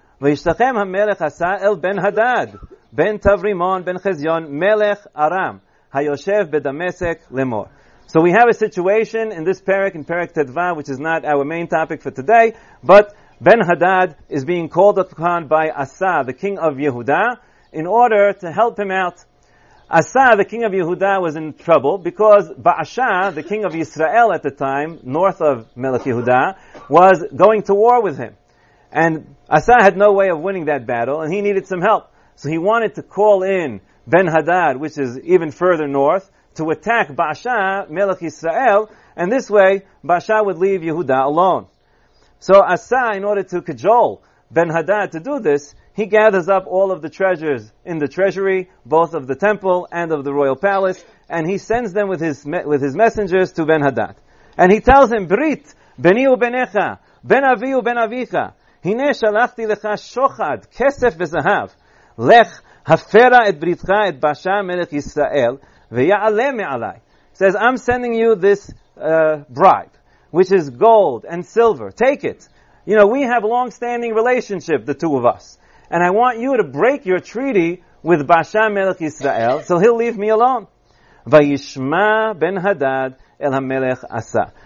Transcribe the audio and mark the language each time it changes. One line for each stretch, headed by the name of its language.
Hebrew: וישתחם המלך עשה אל בן הדד, בן תברימון, בן חזיון, מלך ארם, היושב בדמשק למור.
English: So we have a situation in this parak, in parak Tedva, which is not our main topic for today, but Ben Hadad is being called upon by Asa, the king of Yehuda, in order to help him out. Asa, the king of Yehuda, was in trouble because Baasha, the king of Israel at the time, north of Melech Yehuda, was going to war with him. And Asa had no way of winning that battle, and he needed some help. So he wanted to call in Ben-Hadad, which is even further north, to attack Baasha, Melech Yisrael, and this way, Baasha would leave Yehuda alone. So Asa, in order to cajole Ben-Hadad to do this, he gathers up all of the treasures in the treasury, both of the temple and of the royal palace, and he sends them with his messengers to Ben-Hadad. And he tells him,
Hebrew: Brit, Beni u'benecha, Ben Avi u'ben Avicha, הנה שלחתי לך שוחד, כסף וזהב. לך, הפרה את בריתך, את באשה מלך ישראל, ויעלה מעלי.
English: Says, I'm sending you this bribe, which is gold and silver. Take it. You know, we have a long-standing relationship, the two of us. And I want you to break your treaty with באשה מלך ישראל, so he'll leave me alone.
Hebrew: וישמע בן הדד אל המלך עשה.